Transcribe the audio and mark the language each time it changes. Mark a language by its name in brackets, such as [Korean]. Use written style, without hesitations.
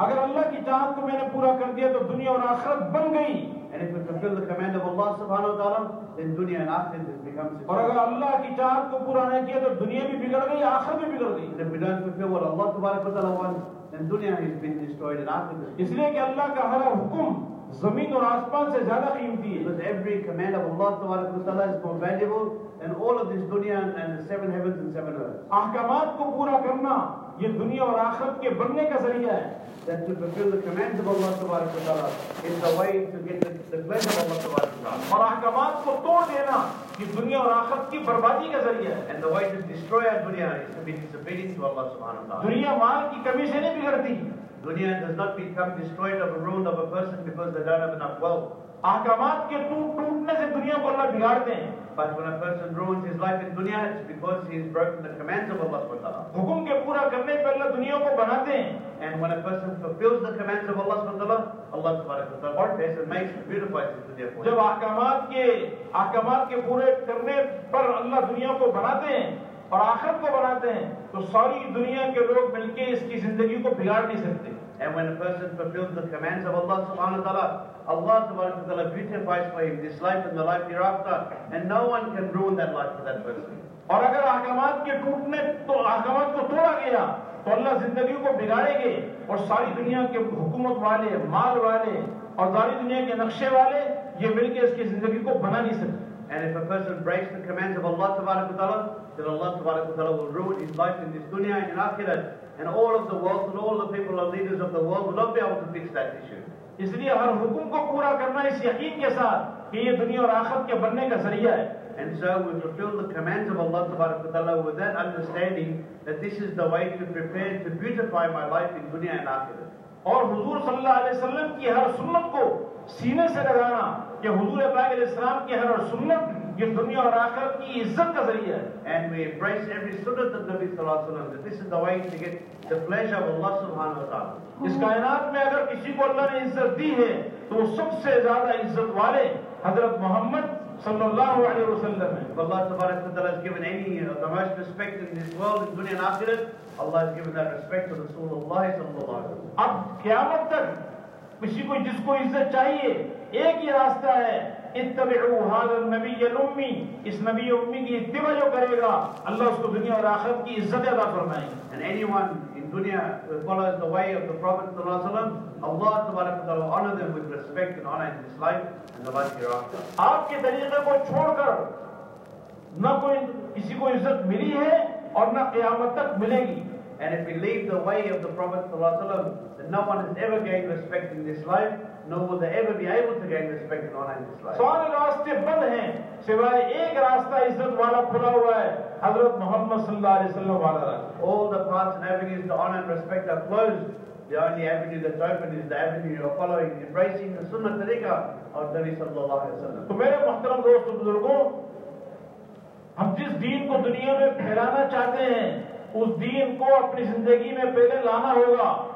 [Urdu] اگر اللہ کی چاہت کو میں نے پورا کر دیا تو دنیا اور آخرت بن گئی. [English] And if we fulfill the command of Allah subhanahu wa ta'ala, then dunya and akhirat becomes a problem. [Urdu] اور اگر اللہ کی چاہت کو پورا نہ کیا تو دنیا بھی بگڑ گئی آخرت بھی بگڑ گئی. [English] And if we don't fulfill what Allah تبارک و تعالی want, then dunya has been destroyed and akhirat. [Urdu] اس لیے کہ اللہ کا ہر حکم زمین اور آسمان سے زیادہ قیمتی ہے. [English] Because every command of Allah تبارک و تعالی is more valuable than all of this dunya and the seven heavens and seven earths. [Urdu] احکامات کو پورا کرنا یہ دنیا اور آخرت کے بننے کا ذریعہ ہے. [English] That to fulfill the commands of Allah تبارک و تعالی is the way to get the pleasure of Allah تبارک و تعالی. [Urdu] اور احکامات کو توڑ دینا یہ دنیا اور آخرت کی بربادی کا ذریعہ ہے. [English] And the way to destroy our dunya is to be disobedient to Allah سبحانہ و تعالی. [Urdu] دنیا مال کی کمی سے نہیں بگڑتی. [English] Dunya does not become destroyed or ruined of a person because they don't have enough wealth. [Urdu] احکامات کے ٹوٹ ٹوٹنے سے دنیا کو اللہ بگاڑتے ہیں. [English] But when a person ruins his life in dunya, it's because he has broken the commands of Allah SWT. [Urdu] حکم کے پورا کرنے پر اللہ دنیا کو بناتے ہیں. [English] And when a person fulfills the commands of Allah SWT, Allah SWT makes and beautifies his dunya for him. [Urdu] جب احکامات کے پورے کرنے پر اللہ دنیا کو بناتے ہیں اور آخرت کو بناتے ہیں تو ساری دنیا کے لوگ مل کے اس کی زندگی کو بگاڑ نہیں سکتے. [English] And when a person fulfills the commands of Allah subhanahu wa ta'ala, Allah subhanahu wa ta'ala beautifies for him this life and the life hereafter, and no one can ruin that life for that person. [Urdu] اور اگر احکامات کے ٹوٹنے تو احکامات کو توڑا گیا تو اللہ زندگیوں کو بگاڑے گے اور ساری دنیا کے حکومت والے مال والے اور ساری دنیا کے نقشے والے یہ مل کے اس کی زندگی کو بنا نہیں سکتے. [English] And if a person breaks the commands of Allah subhanahu wa ta'ala, then Allah subhanahu wa ta'ala will ruin his life in this dunya and in akhirat. And all of the world and all the people and leaders of the world will not be able to fix that issue. [Urdu] اس لیے ہر حکم کو پورا کرنا اس یقین کے ساتھ کہ یہ دنیا اور آخرت کے بننے کا ذریعہ ہے. [English] And so we fulfill the commands of Allah تبارک و تعالی with that understanding that this is the way to prepare to beautify my life in dunya and akhirat. [Urdu] اور حضور صلی اللہ علیہ وسلم کی ہر سنت کو سینے سے لگانا کہ حضور پاک علیہ السلام کی ہر سنت یہ دنیا اور آخرت کی عزت کا ذریعہ ہے. [English] And we embrace every sunnah of Nabi صلی اللہ علیہ وسلم that this is the way to get the pleasure of Allah سبحانہ وتعالی. [Urdu] اس کائنات میں اگر کسی کو اللہ نے عزت دی ہے تو وہ سب سے زیادہ عزت والے حضرت محمد صلی اللہ علیہ وسلم ہیں. [English] اللہ تبارک و تعالی has given any the most respect in this world in dunya and akhirat. Allah has given that respect to رسول اللہ صلی اللہ علیہ وسلم. [Urdu] اب قیامت تک کسی کو جس کو عزت چاہیے ایک ہی راستہ ہے, [Arabic] اتبعوا هذا النبي الامي, [Urdu] اس نبی امی کی اتباع جو کرے گا اللہ اس کو دنیا اور آخرت کی عزت عطا فرمائے. [English] And anyone in dunya who follows the way of the Prophet صلی اللہ علیہ وسلم, Allah تبارک و تعالی honor them with respect and honor in this life and the life hereafter. [Urdu] آپ کے طریقے کو چھوڑ کر نہ کوئی کسی کو عزت ملی ہے اور نہ قیامت تک ملے گی. [English] And if we leave the way of the Prophet صلی اللہ علیہ وسلم, then no one has ever gained respect in this life, nor will they ever be able to gain respect and honor in this life. [Urdu] سارے راستے بند ہیں سوائے ایک راستہ عزت والا کھلا ہوا ہے, حضرت محمد صلی اللہ علیہ وسلم والا راستہ. [English] All the paths and avenues to honor and respect are closed. The only avenue that's open is the avenue you're following, embracing the sunnah tariqa of Nabi صلی اللہ علیہ وسلم. [Urdu] تو میرے محترم دوست و بزرگوں, ہم جس دین کو دنیا میں پھیلانا چاہتے ہیں اس دین کو اپنی زندگی میں پہلے لانا ہوگا.